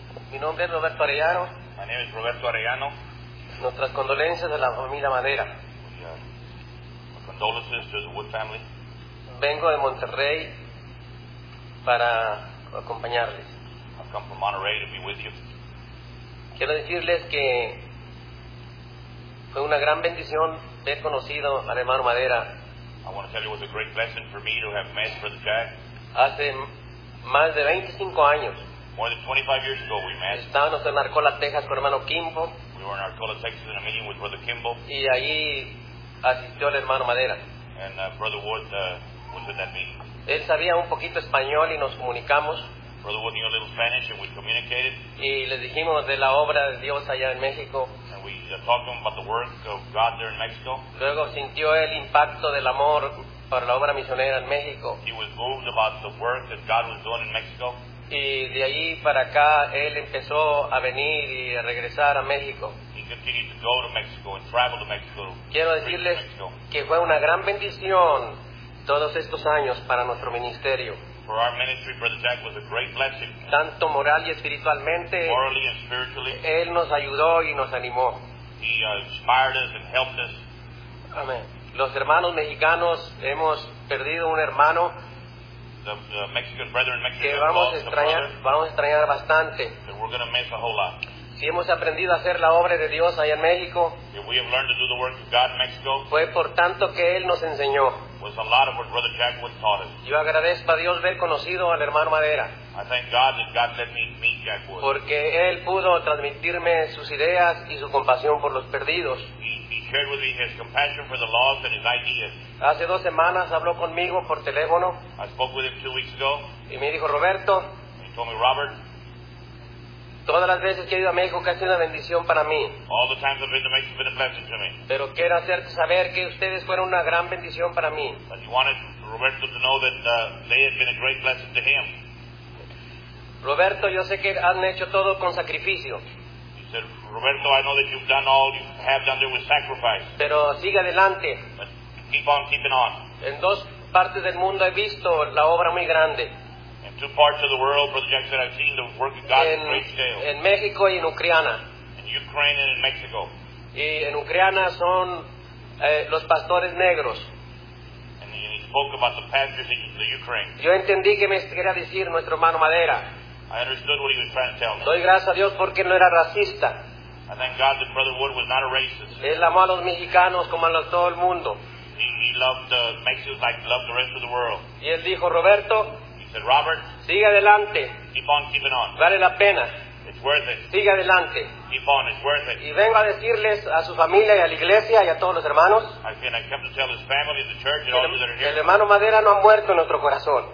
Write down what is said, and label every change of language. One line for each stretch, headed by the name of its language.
Spanish: Mi nombre es Roberto Arellano.
English: My name is Roberto Arellano.
Spanish: Nuestras condolencias a la familia Madera.
English: My condolences to the Wood family.
Spanish: Vengo de Monterrey para acompañarles.
English: I've come from Monterrey to be with you.
Spanish: Quiero decirles que fue una gran bendición haber conocido al hermano Madera.
English: I want to tell you it was a great blessing for me to have met Brother Jack.
Spanish: Hace más de 25 años.
English: More than 25 years ago we met.
Spanish: Estábamos en Arcola, Texas con hermano Kimbo.
English: We were in Arcola, Texas in a meeting with Brother Kimbo.
Spanish: Y allí asistió el hermano Madera.
English: And Brother Wood was at that meeting.
Spanish: Él sabía un poquito español y nos comunicamos.
English: Brother Wood knew a little Spanish and we communicated.
Spanish: Y le dijimos de la obra de Dios allá en México.
English: And we talked to him about the work of God there in Mexico.
Spanish: Luego sintió el impacto del amor para la obra misionera en México.
English: He was moved about the work that God was doing in Mexico.
Spanish: Y de ahí para acá él empezó a venir y a regresar a México.
English: He continued to go to Mexico and travel to Mexico.
Spanish: Quiero decirles
English: to Mexico.
Spanish: Que fue una gran bendición todos estos años para nuestro ministerio.
English: For our ministry, Brother Jack was a great blessing.
Spanish: Tanto moral y espiritualmente.
English: Morally and spiritually.
Spanish: Él nos ayudó y nos animó.
English: He inspired us and helped us.
Spanish: Amén. Los hermanos mexicanos hemos perdido un hermano.
English: The Mexican brethren, Mexican
Spanish: que vamos a extrañar, vamos a extrañar bastante.
English: We're going to miss a whole lot.
Spanish: Si hemos aprendido a hacer la obra de Dios allá en México,
English: if we have learned to do the work of God in Mexico,
Spanish: fue por tanto que él nos enseñó.
English: Was a lot of what Brother Jack Wood taught us.
Spanish: Yo agradezco a Dios haber conocido al hermano Madera.
English: I thank God that God let me meet Jack Wood.
Spanish: Porque él pudo transmitirme sus ideas y su compasión por los perdidos.
English: He shared with me his compassion for the lost and his ideas.
Spanish: Hace dos semanas habló conmigo por teléfono.
English: I spoke with him 2 weeks ago.
Spanish: Y me dijo, Roberto.
English: He told me, Robert.
Spanish: Todas las veces que he ido a México, que ha sido una bendición para mí.
English: All the times I've been to Mexico, it's been a blessing to me.
Spanish: Pero quiero hacer saber que ustedes fueron una gran bendición para mí.
English: But he wanted Roberto to know that they had been a great blessing to him.
Spanish: Roberto, yo sé que han hecho todo con sacrificio.
English: He said, Roberto, I know that you've done all you have done there with sacrifice.
Spanish: Pero sigue adelante.
English: But keep on keeping on.
Spanish: En dos partes del mundo he visto la obra muy grande.
English: In two parts of the world, Brother Jack said, I've seen the work of God in great scale.
Spanish: En México y en Ucrania.
English: In Ukraine and in Mexico.
Spanish: Y en Ucrania son los pastores negros.
English: And he spoke about the pastors in the Ukraine.
Spanish: Yo entendí que me quería decir nuestro hermano Madera.
English: I understood what he was trying to tell me.
Spanish: Doy gracias a Dios porque no era racista.
English: I thank God that Brother Wood was not a racist.
Spanish: Él amó a los mexicanos como a todo el mundo.
English: He loved the Mexicans like he loved the rest of the world.
Spanish: Y él dijo, Roberto.
English: He said, Robert.
Spanish: Sigue adelante.
English: Keep on keeping on.
Spanish: Vale la pena.
English: It's worth it.
Spanish: Sigue adelante.
English: Keep on. It's worth it.
Spanish: Y vengo a decirles a su familia y a la iglesia y a todos los hermanos.
English: I come to tell his family, the church, and all those that are here.
Spanish: El hermano Madera no ha muerto en nuestro corazón.